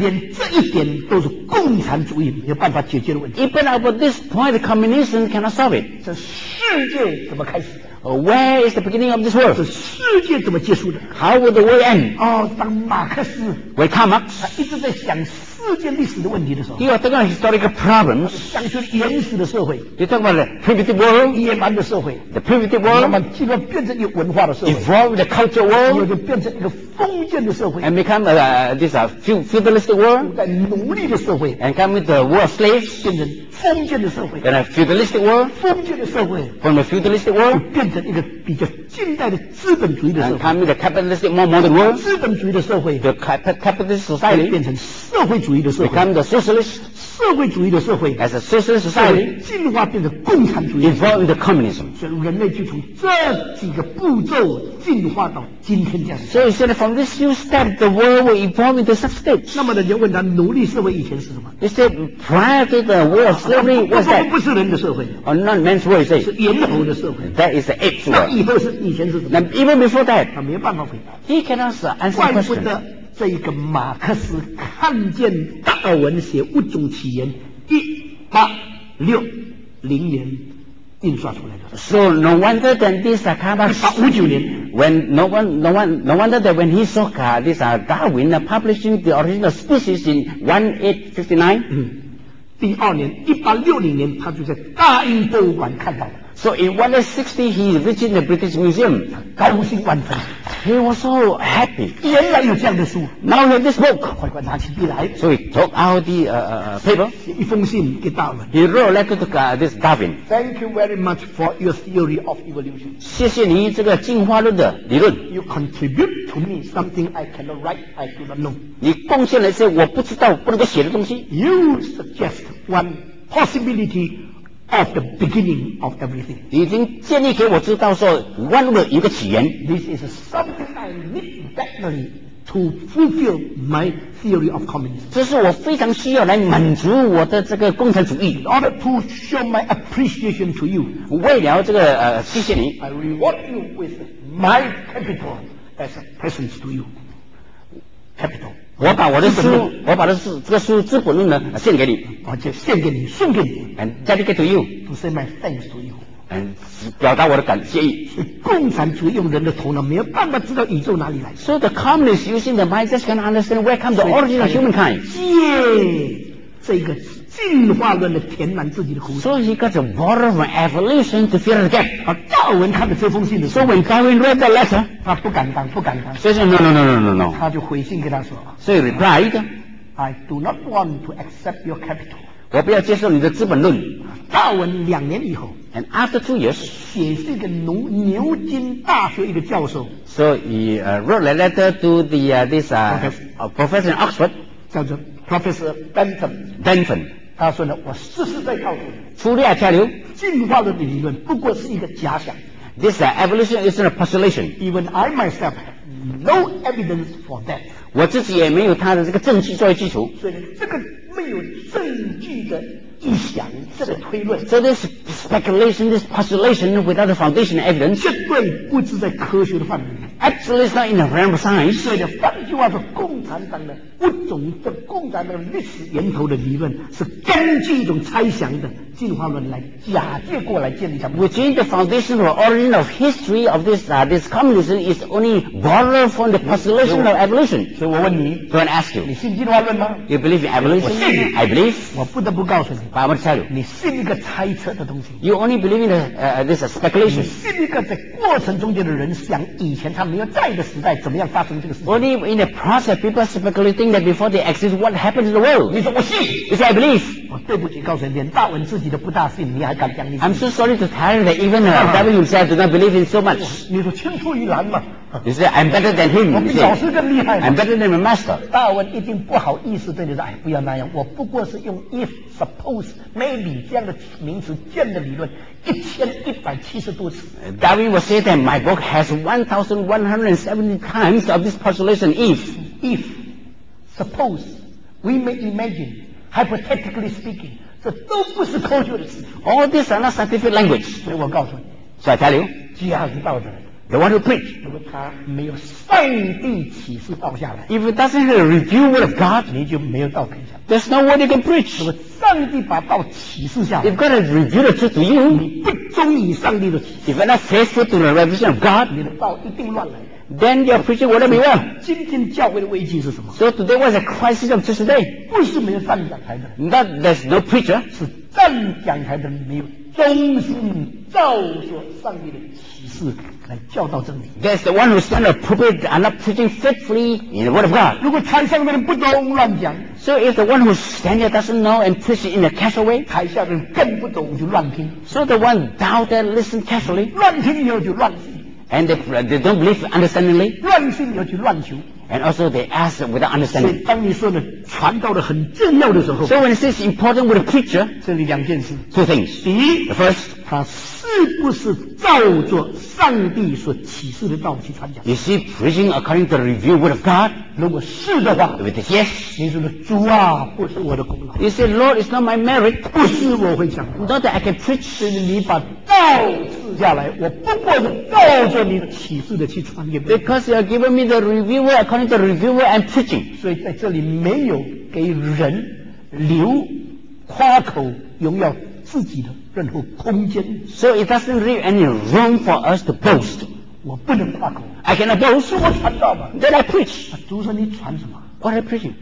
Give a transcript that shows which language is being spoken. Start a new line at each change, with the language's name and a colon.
Chinese: 连这一点都是共产主义没有办法解决的问题。
English: Even about this point, the communism cannot solve it。
Chinese: 这世界怎么开始的？
English: Where is the beginning of this world?
Chinese: 这世界怎么结束的
English: ？How will the world end?
Chinese: 哦，当马克思
English: ，When Karl Marx
Chinese: 他一直在想世界历史的问题的时候
English: ，He was talking about historical problems.
Chinese: 想出原始的社会
English: ，He talked about the primitive world.
Chinese: 野蛮的社会
English: ，The primitive world.
Chinese: 慢慢进而变成一个文化的社会
English: ，Evolved the culture world.
Chinese: 又变成一个封建的社会
English: ，And become a, this a feudalistic world.
Chinese: 在奴隶的社会
English: ，And come with the world of slaves.
Chinese: 变成封建的社会
English: ，Then a feudalistic world.
Chinese: 封建的社会
English: ，From a feudalistic world.
Chinese: 变成一个比较近代的资本主义的社会
English: ，And come with the capitalistic more modern world.
Chinese: 资本主义的社会
English: ，The capitalist society.
Chinese: 变成社会主义的社会
English: ，Become the socialist.
Chinese: 社会主义的社会
English: as a socialist society
Chinese: 进化变成共产主义
English: evolved into communism
Chinese: 所以人类就从这几个步骤进化到今天这样
English: so he said from this new step the world will evolve into such states
Chinese: 那么人家问他奴隶社会以前是什么
English: he said prior to the war of slavery was that
Chinese: 不是人的社会
English: or not man's world
Chinese: 是猿猴的社会
English: that is the apes world
Chinese: 那以后是以前是什么
English: now, even before that
Chinese: 他没有办法回答
English: he cannot answer the question
Chinese: 怪不得这一个马克思看见达尔文写《物种起源》1860年印刷出来的。
English: So no wonder that this Carlos
Chinese: 1859年
English: when no wonder that when he saw this Darwin publishing the Original Species in 1859，
Chinese: 第二年1860年他就在大英博物馆看到了。
English: So in 1860 he reached the British Museum，
Chinese: 高兴万分。
English: He was so happy.
Chinese: 原来有这样的书。
English: Now he had this book.
Chinese: 快快拿起笔来。
English: So he took out the paper.
Chinese: 一封信给达尔文。
English: He wrote a letter to this Darwin. Thank you very much for your theory of evolution.
Chinese: 谢谢你这个进化论的理论。
English: You contribute to me something I cannot write, I do not know.
Chinese: 你贡献了一些我不知道不能够写的东西。
English: You suggest one possibility. At the beginning of everything,
Chinese: 已经建立给我知道说万物一个起源。
English: This is something I need badly to fulfill my theory of communism.
Chinese: 这是我非常需要来满足我的这个共产主义。
English: In order to show my appreciation to you,
Chinese: 为了这个谢谢你
English: I reward you with my capital as a present to you. Capital.
Chinese: 我把我的书，我把这个书《资本论》呢献给你，而且献给你，送给你
English: ，and dedicate to you， to say my thanks to you，
Chinese: and 表达我的感谢。共产主义用人的头脑没有办法知道宇宙哪里来
English: ，so the communists using the mind just can't understand where comes the origin of humankind。
Chinese: 借这个进化论的填满自己的口。
English: So he got the water from evolution to fill the gap。
Chinese: 而达尔文看到这封信的时候
English: ，so when Darwin read the letter，
Chinese: 他不敢当，不敢当。所以说 ，no，他就回信给他说。
English: So he replied, I do not want to accept your capital.
Chinese: 我不要接受你的资本论。达尔文两年以后
English: ，and after 2 years，
Chinese: 写信给牛津大学一个教授。
English: So he wrote a letter to the professor in Oxford，
Chinese: 叫做 Professor Bentham。 Bentham，他说呢，我实实在告诉你，粗略下流，进化论的理论不过是一个假想。
English: This evolution is a postulation. Even I myself have no evidence for that.
Chinese: 我自己也没有他的这个证据作为基础，所以这个没有证据的臆想，这个推论
English: ，so this speculation, this postulation without the foundation evidence，
Chinese: 绝对不是在科学的范围
English: ，actually it's not in the realm of science。
Chinese: 所以呢，换句话说，共产党的物种的共产党历史源头的理论是根据一种猜想的进化论来假借过来建立起来。我觉得
English: the foundation or origin of history of this this communism is only borrowed from the postulation of evolution。
Chinese: 所以我问你
English: ，so I ask you，
Chinese: 你信进化论吗
English: ？You believe in evolution？
Chinese: 我信
English: ，I believe。
Chinese: 我不得不告诉你。
English: But I want to tell you,
Chinese: 你信一个猜测的东西。
English: You only believe in the, this speculation.
Chinese: 你信一个在过程中间的人想以前他没有在的时代怎么样发生这个事情。
English: Only in the process, people speculating that before they exist, what happens in the world.
Chinese: 你说我信。
English: You say I believe.
Chinese: 我对不起，告诉你，连大文自己都不大信，你还敢讲你
English: ？I'm so sorry to tell you that even Darwin himself does not believe in so much.
Chinese: 你说青出于蓝嘛。
English: You say I'm better than him.
Chinese: 我比老师更厉害。
English: I'm better than my master.
Chinese: 大文一定不好意思对你说，哎，不要那样，我不过是用
English: if suppose maybe
Chinese: 这样的名词建的理论，1170多次。
English: Darwin will say that my book has 1170 times of this postulation if. If suppose we may imagine, hypothetically speaking,
Chinese: 这都不是科学的事。
English: All these are not scientific language.
Chinese: 所以我告诉你。
English: So I tell you.
Chinese: 基亚是道德人。
English: The one who preached,
Chinese: 如果他没有上帝启示倒下来
English: ，If it doesn't have a review word of God,
Chinese: 你就没有道可以讲。
English: There's no word you can preach.
Chinese: 如果上帝把道启示下来
English: ，If God has revealed the truth to you,
Chinese: 你不忠于上帝的启示
English: ，If you're not faithful to the revelation of God,
Chinese: 你的道一定乱来。
English: Then you're preaching whatever you want.
Chinese: 今天教会的危机是什么
English: ？So today was a crisis of today.
Chinese: 不是没有站讲台的
English: ，Not there's no preacher.
Chinese: 是站讲台的没有忠心照着上帝的启示。来教导真理。
English: That's the one who stand up pulpit and not preaching faithfully in the word of God.
Chinese: 如果台上的人不懂乱讲
English: ，So if the one who stand there doesn't know and preach in a casual way，
Chinese: 台下的人更不懂就乱听。
English: So the one doubted listen carefully，
Chinese: 乱听以后就乱信。
English: And they don't believe understandingly，
Chinese: 乱信以后就乱求。
English: And also they ask without understanding.
Chinese: 所以当你说的传道的很重要的时候。
English: So when it says important with a preacher,
Chinese: 这里两件事。
English: Two things.
Chinese: 第一
English: ，the first，
Chinese: 他是不是照着上帝所启示的道去传讲
English: ？Is he preaching according to the revealed word of God？
Chinese: 如果是的话
English: ，If it is yes，
Chinese: 你说的主啊，不是我的功劳。
English: You say, Lord, it's not my merit，
Chinese: 不是我会讲。
English: Not that I can preach，
Chinese: 是你把道。下来，我不过是照着你启示的去传给别人。
English: Because you are giving me the reviewer, according to the reviewer, I'm preaching.
Chinese: 所以在这里没有给人留夸口荣耀自己的任何空间。
English: So it doesn't leave any room for us to boast.
Chinese: 我不能夸口。
English: I cannot boast.
Chinese: 是我传道吗
English: ？Then I preach.
Chinese: 主说你传什么
English: ？What are you preaching?